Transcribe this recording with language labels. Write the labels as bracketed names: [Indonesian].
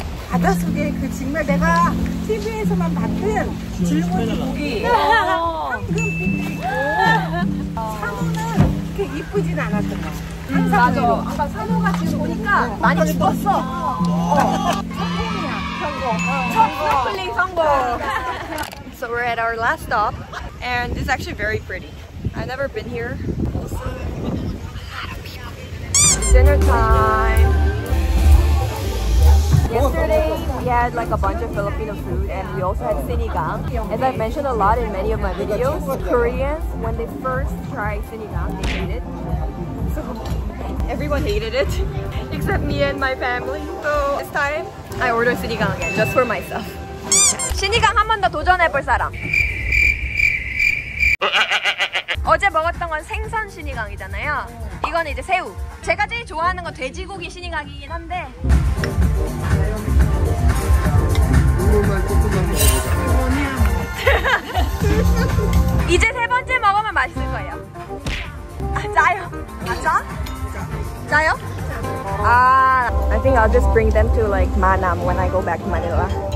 [Korean] 바닷속에 그 정말 내가 TV에서만 봤던 줄무늬 고기. 이쁘진 않았던 거. 맞아. 아까 산호가 지금 보니까 많이 죽었어. 성공이야. 성공. 성공. [English] So we're at our last stop, and it's actually very pretty. I've never been here. Dinner time. Yesterday we had like a bunch of Filipino food, and we also had sinigang. As I've mentioned a lot in many of my videos, Koreans, when they first try sinigang, they hate it. Everyone hated it, except me and my family. So this time, I ordered sinigang again, just for myself. [Korean] Sinigang 한 번 더 도전해볼 사람. 어제 먹었던 건 생선 sinigang이잖아요. 이건 이제 새우. 제가 제일 좋아하는 건 돼지고기 sinigang이긴 한데. 이제 세 번째 먹으면 맛있을 거예요. 아, 짜요. 아, 짜? [English] 아, I think I'll just bring them to like Manam when I go back to Manila.